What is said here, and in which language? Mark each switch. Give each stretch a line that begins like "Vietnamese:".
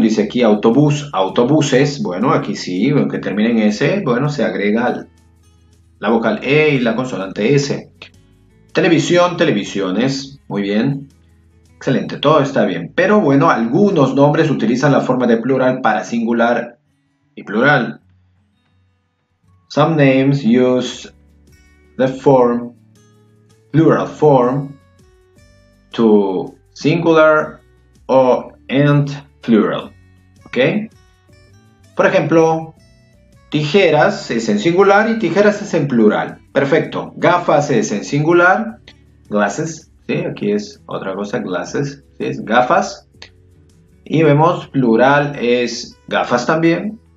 Spanish: Dice aquí autobús, autobuses. Bueno, aquí sí, aunque termine en S, bueno, se agrega la vocal E y la consonante S. Televisión, televisiones. Muy bien. Excelente, todo está bien. Pero bueno, algunos nombres utilizan la forma de plural para singular y plural.
English: Some names use the form, plural form, to singular or and plural. ¿Ok?
Spanish: Por ejemplo, tijeras es en singular y tijeras es en plural. Perfecto. Gafas es en singular. Glasses. ¿Sí? Aquí es otra cosa. Glasses. ¿Sí? Es gafas. Y vemos plural es gafas también.